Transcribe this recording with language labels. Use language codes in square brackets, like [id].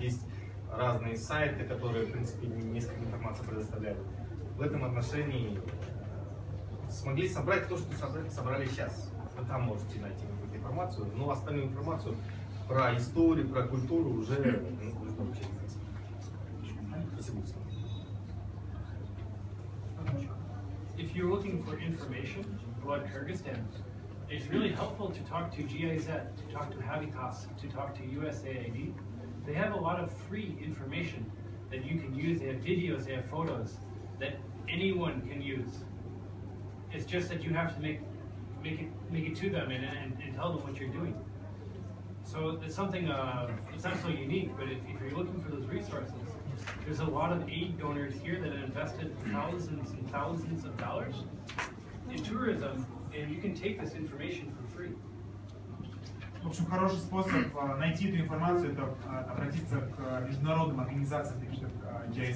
[ru] Есть разные сайты, которые, в принципе, несколько информации предоставляют. В этом отношении смогли собрать то, что собрали сейчас. вы там можете найти какую-то информацию, но остальную информацию про историю, про культуру уже нужно учить. Спасибо. [en] If you're looking for information about Kyrgyzstan, it's really helpful to talk to GIZ, to talk to Habitas, to talk to USAID. They have a lot of free information that you can use. They have videos, they have photos that anyone can use. It's just that you have to make it to them and tell them what you're doing. So it's something, it's absolutely unique, but if you're looking for those resources, there's a lot of aid donors here that have invested thousands and thousands of dollars in tourism, and you can take this information for free. [ru] В общем, хороший способ найти эту информацию — это обратиться к международным организациям, таким как GIZ.